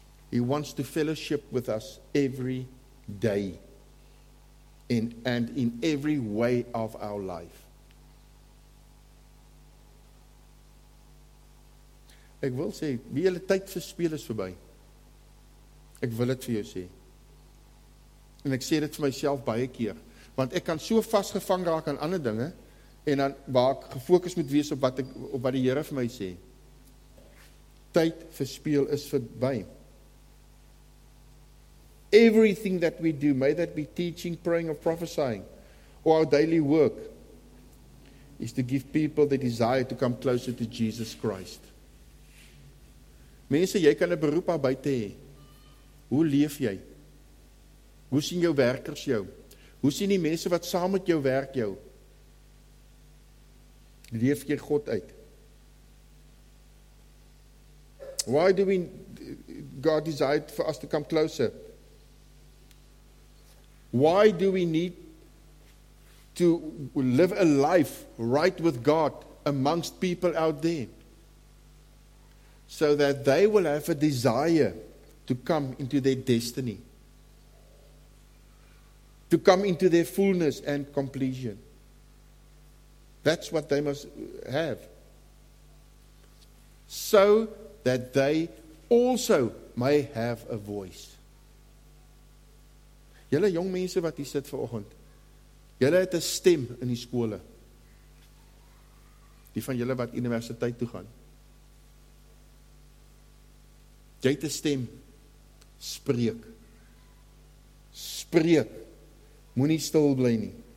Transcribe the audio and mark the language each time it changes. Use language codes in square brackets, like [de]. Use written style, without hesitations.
[en] He wants to fellowship with us every day and in every way of our life. [af] Ek wil sê, wie julle tyd verspeel is verby. Ek wil dit vir jou sê. En ek sê dit vir myself baie keer, want ek kan so vasgevang raak aan ander dinge, en dan waar ek gefokus moet wees op wat die Here vir my sê. Tyd verspeel is verby. [en] Everything that we do, may that be teaching, praying or prophesying, or our daily work, is to give people the desire to come closer to Jesus Christ. [af] Mense, jy kan 'n beroep daar buite hê. Hoe leef jy? Hoe sien jou werkers jou? Hoe sien die mense wat saam met jou werk jou? Leef jy God uit? [en] Why do we God desire for us to come closer? Why do we need to live a life right with God amongst people out there? So that they will have a desire to come into their destiny. To come into their fullness and completion. That's what they must have. So that they also may have a voice. [af] Julle jong mense wat hier sit vanoggend. Julle het 'n stem in die skole. Die van julle wat universiteit toe gaan. Jy het 'n stem, spreek, moenie stil bly nie.